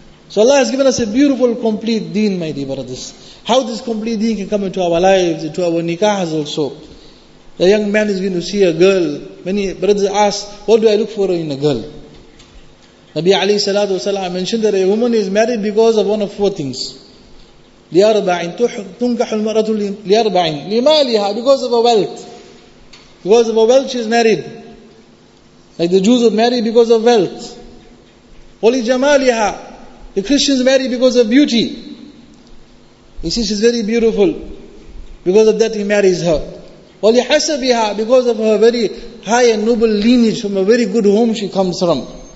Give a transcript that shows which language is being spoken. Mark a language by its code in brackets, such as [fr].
[en] So Allah has given us a beautiful, complete deen, my dear brothers. How this complete deen can come into our lives, into our nikahs also. A young man is going to see a girl. Many brothers ask, what do I look for in a girl? Nabi alayhi salatu wasalam mentioned that a woman is married because of one of four things. [ar] لِأَرْبَعٍ تُنْكَحُ الْمَرَةُ لِأَرْبَعٍ لِمَالِهَا, [en] because of her wealth. Because of her wealth, she is married. Like the Jews are married because of wealth. Holy Jamaliha. The Christians marry because of beauty. You see, she's very beautiful. Because of that, he marries her. Holy Hasabiha, because of her very high and noble lineage, from a very good home she comes from.